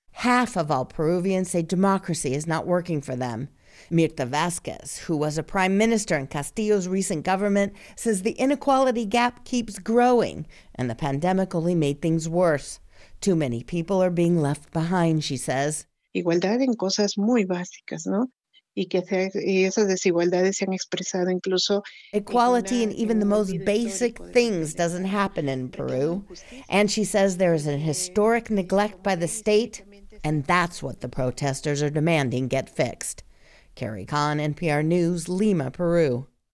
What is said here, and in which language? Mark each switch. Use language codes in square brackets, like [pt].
[en] Half of all Peruvians say democracy is not working for them. Mirta Vasquez, who was a prime minister in Castillo's recent government, says the inequality gap keeps growing, and the pandemic only made things worse. Too many people are being left behind, she says. [es] Igualdad en cosas muy básicas, ¿no? [en] Equality in even the most basic things doesn't happen in Peru. And she says there is a historic neglect by the state, and that's what the protesters are demanding get fixed. Carrie Khan, NPR News, Lima, Peru.